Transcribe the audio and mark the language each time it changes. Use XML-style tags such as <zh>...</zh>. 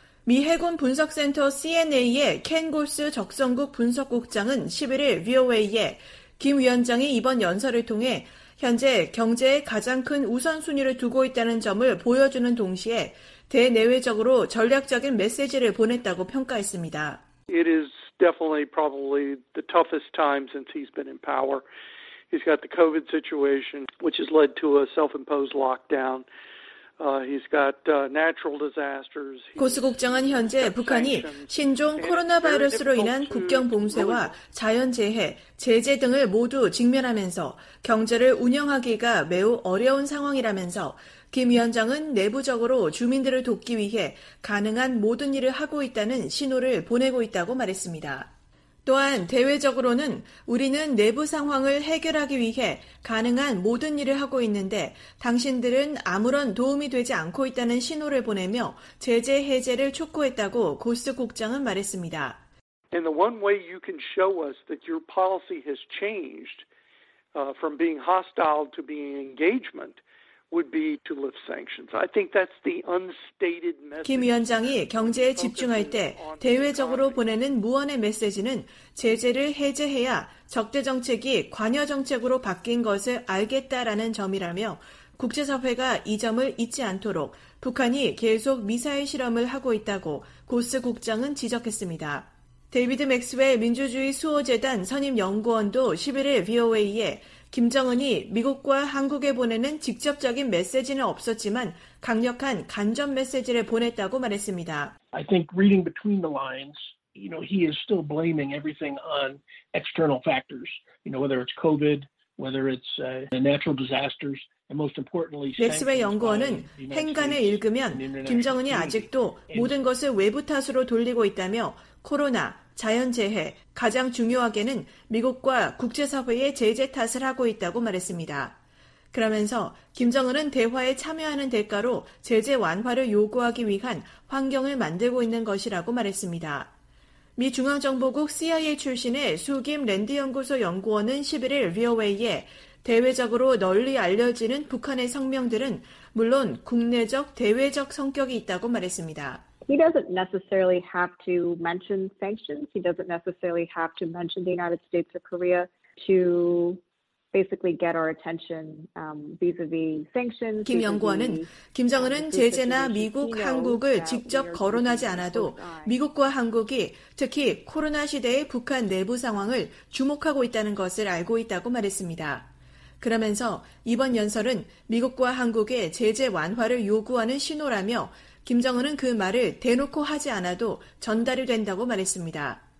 <ko>미 해군 분석센터 CNA의 켄 골스 적성국 분석국장은 11일 VOA에 김 위원장이 이번 연설을 통해 현재 경제에 가장 큰 우선순위를 두고 있다는 점을 보여주는 동시에 대내외적으로 전략적인 메시지를 보냈다고 평가했습니다.</ko> <en>It is definitely probably the toughest time since he's been in power. He's got the COVID situation, which has led to a self-imposed lockdown. He's got natural disasters.</en> <ko>고스 국장은 현재 북한이 신종 코로나 바이러스로 인한 국경 봉쇄와 자연재해, 제재 등을 모두 직면하면서 경제를 운영하기가 매우 어려운 상황이라면서 김 위원장은 내부적으로 주민들을 돕기 위해 가능한 모든 일을 하고 있다는 신호를 보내고 있다고 말했습니다. 또한 대외적으로는 우리는 내부 상황을 해결하기 위해 가능한 모든 일을 하고 있는데 당신들은 아무런 도움이 되지 않고 있다는 신호를 보내며 제재 해제를 촉구했다고 고스 국장은 말했습니다.</ko> <en>And the one way you can show us that your policy has changed from being hostile to being engagement would be to lift sanctions. I think that's the unstated message.</en> <ko>김 위원장이 경제에 집중할 때 대외적으로 보내는 무언의 메시지는 제재를 해제해야 적대 정책이 관여 정책으로 바뀐 것을 알겠다라는 점이라며 국제 사회가 이 점을 잊지 않도록 북한이 계속 미사일 실험을 하고 있다고 고스 국장은 지적했습니다. 데이비드 맥스웰 민주주의 수호 재단 선임 연구원도 11일 VOA에 김정은이 미국과 한국에 보내는 직접적인 메시지는 없었지만 강력한 간접 메시지를 보냈다고 말했습니다.</ko> <en>I think reading between the lines, you know, he is still blaming everything on external factors. You know, whether it's COVID, whether it's the natural disasters, and most importantly,</en> <ko>맥스웰 연구원은 행간을 읽으면 김정은이 아직도 모든 것을 외부 탓으로 돌리고 있다며 코로나, 자연재해, 가장 중요하게는 미국과 국제사회의 제재 탓을 하고 있다고 말했습니다. 그러면서 김정은은 대화에 참여하는 대가로 제재 완화를 요구하기 위한 환경을 만들고 있는 것이라고 말했습니다. 미 중앙정보국 CIA 출신의 수김 랜드 연구소 연구원은 11일 VOA에 대외적으로 널리 알려지는 북한의 성명들은 물론 국내적, 대외적 성격이 있다고 말했습니다.</ko> <en>He doesn't necessarily have to mention sanctions. He doesn't necessarily have to mention the United States or Korea to basically get our attention vis-a-vis sanctions.</en> <ko>김 연구원은 김정은은 제재나 미국, 한국을 직접 거론하지 않아도 미국과 한국이 특히 코로나 시대의 북한 내부 상황을 주목하고 있다는 것을 알고 있다고 말했습니다. 그러면서 이번 연설은 미국과 한국의 제재 완화를 요구하는 신호라며 김정은은 그 말을 대놓고 하지 않아도 전달이 된다고 말했습니다.</ko>